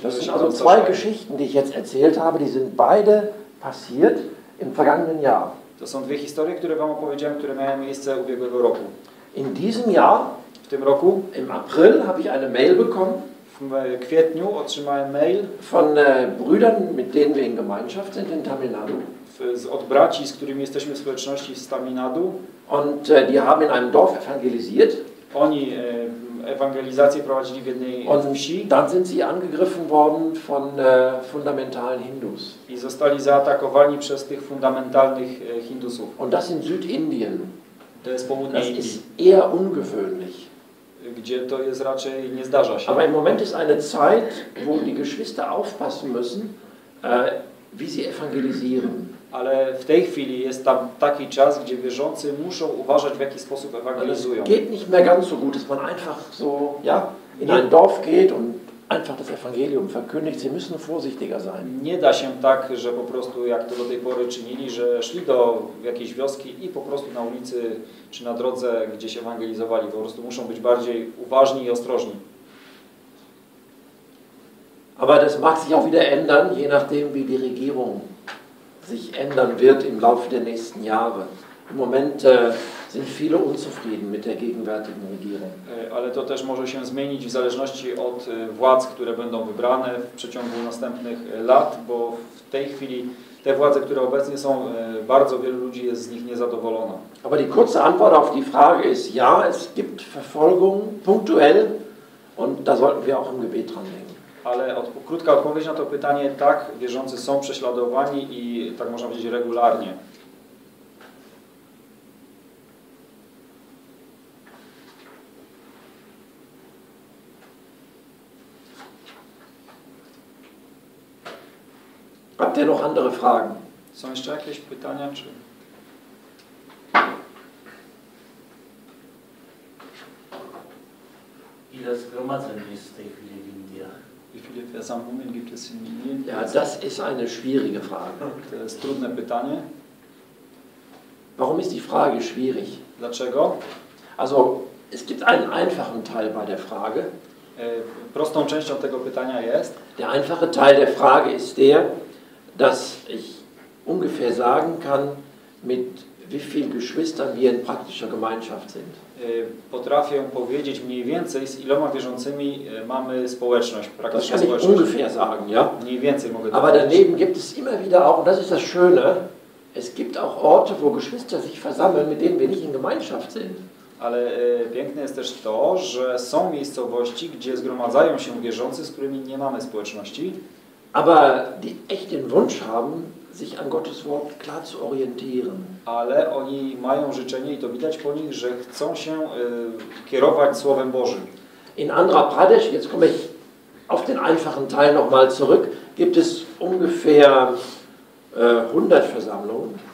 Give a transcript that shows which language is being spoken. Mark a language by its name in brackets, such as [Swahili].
[German] das sind also zwei Geschichten, die ich jetzt erzählt habe, die sind beide passiert im vergangenen Jahr. [Polish] To są dwie historie, które wam opowiedziałem, które miały miejsce ubiegłego roku. [German] In diesem Jahr, [Polish] w tym roku, [German] im April habe ich eine Mail bekommen. [Polish] W kwietniu otrzymałem mail [German] von Brüdern, mit denen wir in Gemeinschaft sind in Tamil Nadu. [Polish] Od braci, z którymi jesteśmy w społeczności z Tamil Nadu. [German] Und die haben in einem Dorf evangelisiert. [Polish] Oni ewangelizację prowadzili w jednej wsi. [German] Dann sind sie angegriffen worden von fundamentalen Hindus. [Polish] I zostali zaatakowani przez tych fundamentalnych Hindusów. [German] Und das in Südindien. [Polish] To jest południe Indii. [German] Das ist eher ungewöhnlich. [Polish] Gdzie to jest raczej nie zdarza się. [German] Aber im Moment ist eine Zeit, wo die Geschwister aufpassen müssen, wie sie evangelisieren. [Polish] Ale w tej chwili jest tam taki czas, gdzie wierzący muszą uważać, w jaki sposób ewangelizują. [German] Es geht nicht mehr ganz so gut, dass man einfach so, ja, in ein Dorf geht und einfach das Evangelium verkündigt. Sie müssen vorsichtiger sein. [Polish] Nie da się tak, że po prostu, jak to do tej pory czynili, że szli do jakiejś wioski i po prostu na ulicy czy na drodze gdzieś ewangelizowali. Po prostu muszą być bardziej uważni i ostrożni. [German] Aber das mag sich auch wieder ändern, je nachdem wie die Regierung sich ändern wird im Laufe der nächsten Jahre. Im Moment sind viele unzufrieden mit der gegenwärtigen Regierung. [Polish] Ale to też może się zmienić w zależności od władz, które będą wybrane w przeciągu następnych lat, bo w tej chwili te władze, które obecnie są, bardzo wielu ludzi jest z nich niezadowolona. [German] Aber die kurze Antwort auf die Frage ist ja, es gibt Verfolgung punktuell und da sollten wir auch im Gebet dran denken. [Polish] Ale krótka odpowiedź na to pytanie, tak, wierzący są prześladowani i tak można powiedzieć regularnie. [German] Habt ihr noch andere Fragen? [Polish] Są jeszcze jakieś pytania, czy? Ile zgromadzeń jest w tej chwili w Indiach? [German] Wie viele Versammlungen gibt es in Indien? Ja, das ist eine schwierige Frage. [Polish] To jest trudne pytanie. [German] Warum ist die Frage schwierig? [Polish] Dlaczego? [German] Also, es gibt einen einfachen Teil bei der Frage. [Polish] Prostą częścią tego pytania jest. [German] Der einfache Teil der Frage ist der, dass ich ungefähr sagen kann, mit wie vielen Geschwistern wir in praktischer Gemeinschaft sind. [Polish] Potrafię powiedzieć mniej więcej, z iloma wierzącymi mamy społeczność, praktyczną społeczność. [German] Ungefähr sagen, ja? [Polish] Mniej więcej mogę dodać. [German] Aber daneben gibt es immer wieder auch, und das ist das Schöne, es gibt auch Orte, wo Geschwister sich versammeln, mit denen wir nicht in Gemeinschaft sind. [Polish] Ale piękne jest też to, że są miejscowości, gdzie zgromadzają się wierzący, z którymi nie mamy społeczności. [German] Aber die echt den Wunsch haben, sich an Gottes Wort klar zu orientieren. [Polish] Ale oni mają życzenie i to widać po nich, że chcą się kierować Słowem Bożym. [German] In Andhra Pradesh, jetzt komme ich auf den einfachen Teil nochmal zurück, gibt es ungefähr 100 Versammlungen.